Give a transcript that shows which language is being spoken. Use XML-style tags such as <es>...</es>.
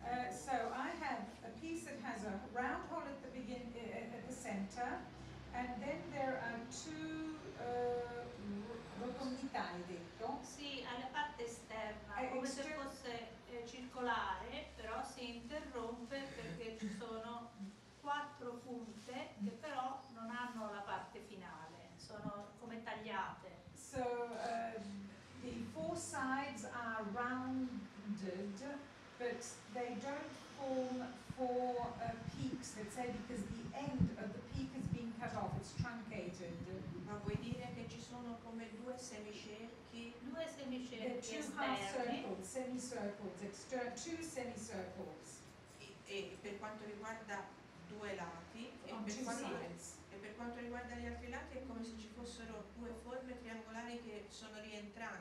<en>So I have a piece that has a round hole at the beginning, at the center, and then there are two</en> <it>rotondità, hai detto? Sì, alla parte esterna, come se fosse circolare, però si interrompe perché ci sono quattro punte che però non hanno la parte finale, sono come tagliate.</it> <en>So the four sides are rounded, but they don't form four peaks, let's say, because the end of the peak has been cut off, it's truncated.</en> <it>Ma vuoi dire che ci sono come due semicerchi? Due semicerchi esterni.</it> <en>Two half circles, semicircles, external, two semicircles.</en> <it>E per quanto riguarda due lati, e per quanto riguarda gli altri lati è come se ci fossero due forme triangolari che sono rientranti.</it>